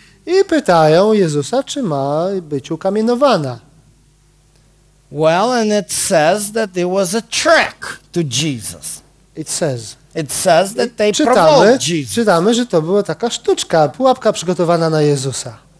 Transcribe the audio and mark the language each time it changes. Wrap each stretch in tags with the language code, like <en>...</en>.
<pl>I pytają Jezusa, czy ma być ukamienowana.</pl> <en>Well, and it says that it was a trick to Jesus. It says that they provoked Jesus.</en> <pl>Czytamy, że to była taka sztuczka, pułapka przygotowana na Jezusa.</pl>